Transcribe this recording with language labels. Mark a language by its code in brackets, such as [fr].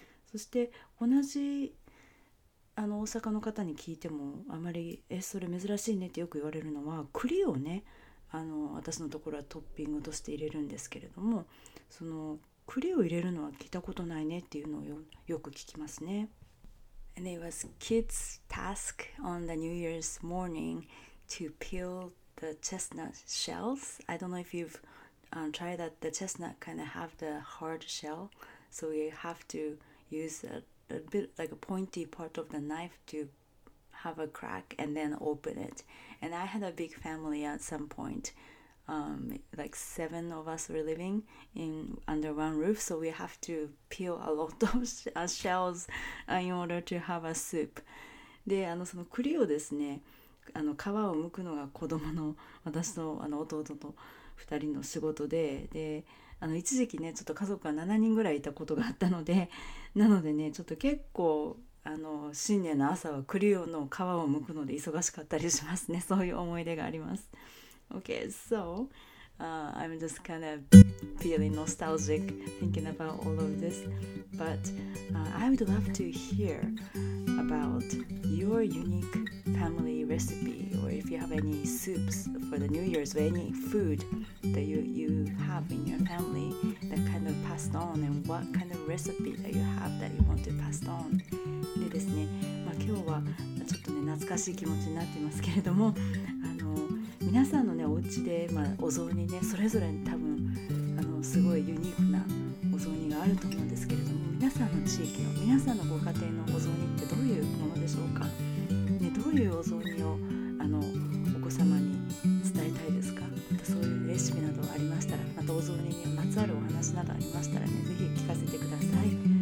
[ja] そして同じあの大阪の方に聞いても、あまり、え、それ珍しいねってよく言われるのは、栗をね、あの私のところはトッピングとして入れるんですけれども、その栗を入れるのは聞いたことないねっていうのを よく聞きますね。 [en] And it was kids' task on the New Year's morning to peel the chestnut shells. I don't know if you've tried that. The chestnut kind of have the hard shell, so you have to use a bit like a pointy part of the knife to have a crack and then open it. And I had a big family at some point. Like 7 of us were living in under one roof, so we have to peel a lot of shells in order to have a soup. [ja] で、あのその栗をですね、あの皮を剥くのが子供の私とあの弟と2人の仕事で、で、あの一時期ね、ちょっと家族が7人ぐらいいたことがあったので、なのでね、ちょっと結構あの新年の朝は栗の皮を剥くので忙しかったりしますね。そういう思い出があります。 [en] Okay, so I'm just kind of feeling nostalgic thinking about all of this. But I would love to hear about your unique family recipe or if you have any soups for the New Year's or any food that you have in your family that kind of passed on and what kind of recipe that you have that you want to pass on. [ja] でですね、まあ、今日はちょっとね懐かしい気持ちになっていますけれども、皆さんのねお家で、まあ、お雑煮ねそれぞれに多分あのすごいユニークなお雑煮があると思うんですけれども、皆さんの地域の皆さんのご家庭のお雑煮ってどういうものでしょうか、ね、どういうお雑煮をあのお子様に伝えたいですか、またそういうレシピなどありましたら、またお雑煮にまつわるお話などありましたらね、ぜひ聞かせてください。